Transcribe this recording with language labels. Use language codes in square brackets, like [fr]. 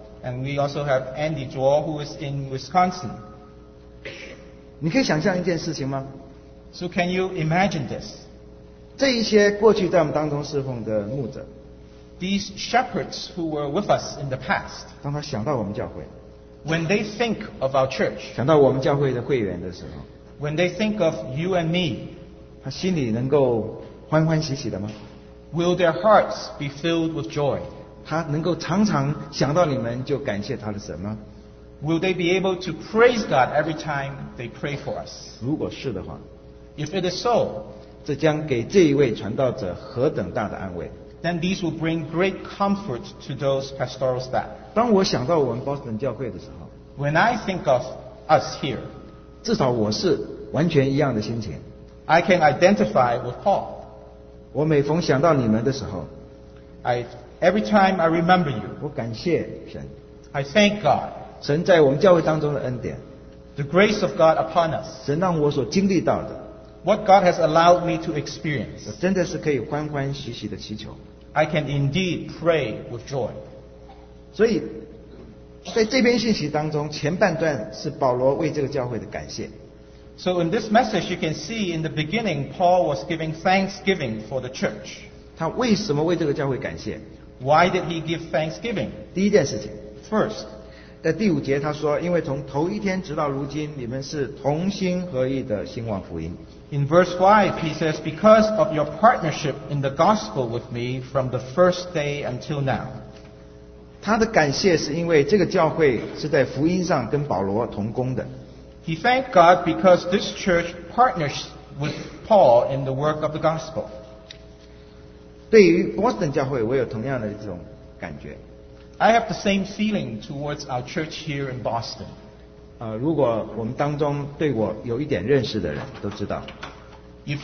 [en] And we also have Andy Zhuo, who is in Wisconsin. [zh] 你可以想象一件事情吗 [en] ？So can you imagine this? [zh] 这一些过去在我们当中侍奉的牧者 [en] ，These shepherds who were with us in the past. [zh] 当他想到我们教会。 [en] When they think of our church, [zh] 想到我们教会的会员的时候 [en] when they think of you and me, [zh] 他心里能够欢欢喜喜的吗 [en] Will their hearts be filled with joy? [zh] 他能够常常想到你们就感谢他的神吗 [en] Will they be able to praise God every time they pray for us? [zh] 如果是的话 [en] If it is so, [zh] 这将给这一位传道者何等大的安慰 [en] Then these will bring great comfort to those pastoral staff. [zh] 当我想到我们 Boston 教会的时候 [en] When I think of us here [zh] 至少我是完全一样的心情 [en] I can identify with Paul [zh] 我每逢想到你们的时候 [en] Every time I remember you [zh] 我感谢神 [en] I thank God [zh] 神在我们教会当中的恩典 [en] The grace of God upon us [zh] 神让我所经历到的 [en] What God has allowed me to experience [zh] 我真的是可以欢欢喜喜的祈求 [en] I can indeed pray with joy [zh] 所以在这篇信息当中前半段是保罗为这个教会的感谢 [en] So in this message, you can see in the beginning, Paul was giving thanksgiving for the church. [zh] 他为什么为这个教会感谢? [en] Why did he give thanksgiving? [zh] 第一件事情, [en] First, [zh] 在第五节他说, 因为从头一天直到如今, 你们是同心合意的兴旺福音。 [en] In verse 5, he says, Because of your partnership in the gospel with me from the first day until now. [zh] 他的感谢是因为这个教会是在福音上跟保罗同工的。 [en] He thanked God because this church partners with Paul in the work of the gospel. [zh] 对于波士顿教会，我有同样的这种感觉。I [en] have the same feeling towards our church here in Boston. [zh] 如果我们当中对我有一点认识的人都知道。If